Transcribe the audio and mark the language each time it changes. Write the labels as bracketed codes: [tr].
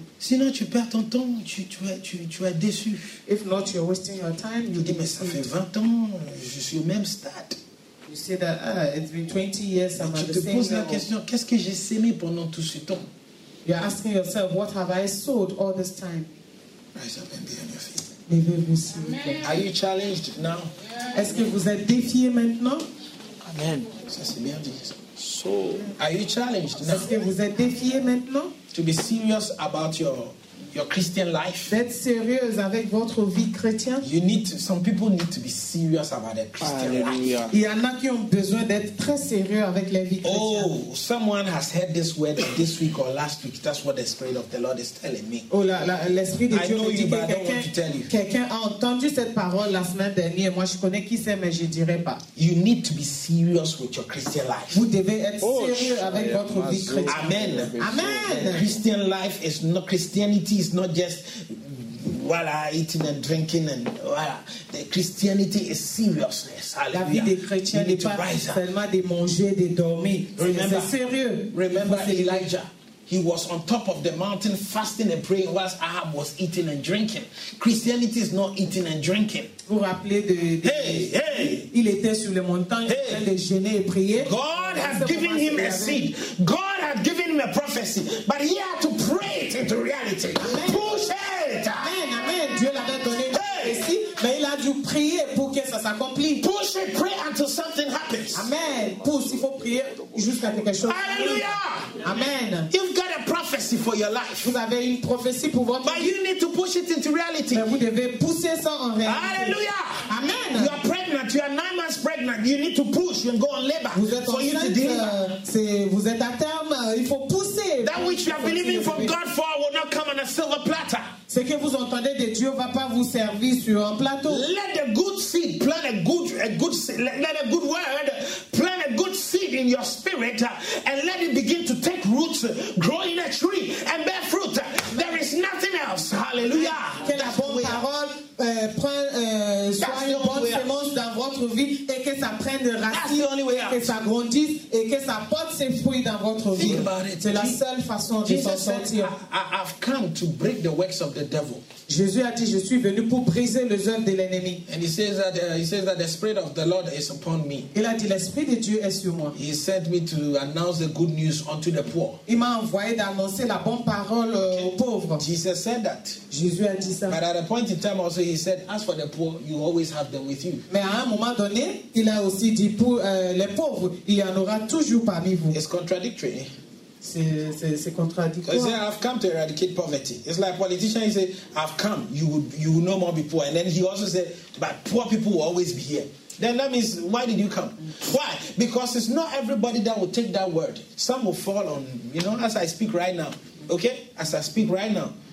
[fr] Sinon, tu perds ton temps, tu es déçu. [en] If not, you're wasting your time. [fr] Tu dis, mais ça fait 20 ans, je suis au même stade. [en] You say that it's been 20 years. I'm at the same level. [fr] Tu te poses la question, qu'est-ce que j'ai semé pendant tout ce temps? [en] You're asking yourself, what have I sowed all this time? Rise up and be on your feet. [fr] Levez-vous. [en] Are you challenged now? [fr] Yeah. Est-ce que vous êtes défié maintenant? Amen. Ça c'est bien dit. [en] So, are you challenged now? [fr] Est-ce que vous êtes défié maintenant? [en] To be serious about your Christian life. [fr] Être sérieuse avec votre vie chrétienne. [en] Some people need to be serious about their Christian life. [fr] Il y en a qui ont besoin d'être très sérieux avec la vie chrétienne. [en] Oh, someone has heard this word this week or last week. That's what the Spirit of the Lord is telling me. [fr] Oh, l'esprit de Dieu me dit que quelqu'un a entendu cette parole la semaine dernière. Moi, je connais qui c'est, mais je dirai pas. [en] You need to be serious with your Christian life. [fr] Vous devez être sérieux avec votre vie chrétienne. Amen. Amen. [en] Christian life is not Christianity. It's not just voilà, eating and drinking and voilà. The Christianity is seriousness. [fr] La vie des chrétiens n'est pas seulement de manger, de dormir. [en] Remember, [fr] c'est sérieux. [en] Remember Elijah. He was on top of the mountain fasting and praying whilst Ahab was eating and drinking. Christianity is not eating and drinking. [fr] Vous rappelez de hey. Il était sur le montagne en train de jeûner et prier. [en] God has given him a seed. God had given him a prophecy, but he had to pray it into reality. Amen. Push it. Amen. [fr] Dieu l'avait donné ici, mais il a dû prier pour que ça s'accomplisse. [en] Push it, pray until something happens. [fr] Amen. Pousse, il faut prier jusqu'à quelque chose. Alléluia. Amen. [en] You've got a prophecy for your life. [fr] Vous avez une prophétie pour votre vie. [en] But you need to push it into reality. [fr] Mais vous devez pousser ça en réalité. Alléluia. Amen. [en] You are pregnant. You are 9 months pregnant. You need to push and go on labor. [fr] Vous êtes [en] for [fr] enceinte. [en] You to deliver. [fr] Vous êtes à terme. Il faut pousser. [en] That which you are believing from God for will not come on a silver platter. [fr] Ce que vous entendez de Dieu ne va pas vous servir sur un plateau. [en] Let a good seed plant a good word plant a good seed in your spirit and let it begin to take roots, grow in a tree and bear fruit. There is nothing else. Hallelujah. [fr] Que la bonne parole soit une bonne semence dans votre vie et que ça prenne racine et que ça grandisse et que ça porte ses fruits dans votre vie. C'est la seule façon de s'en sortir. [en] I've come to break the works of the devil. [fr] Jésus a dit, je suis venu pour briser les œuvres de l'ennemi. [en] And he says that the spirit of the Lord is upon me. [fr] Il a dit, l'esprit de Dieu est sur moi. [en] He sent me to announce the good news unto the poor. [fr] Il m'a envoyé d'annoncer la bonne parole aux pauvres. [en] Jesus said that. [fr] Jésus a dit ça. [en] But at a point in time also he said, as for the poor, you always have them with you. [fr] Mais à un moment donné, il a aussi dit pour les pauvres, il y en aura toujours parmi vous. [en] It's contradictory. [fr] C'est contradictoire. [en] He said, I've come to eradicate poverty. It's like a politician, he said, I've come, you will no more be poor. And then he also said, but poor people will always be here. Then that means, why did you come? Why? Because it's not everybody that will take that word. Some will fall on, you know, as I speak right now. Okay? As I speak right now.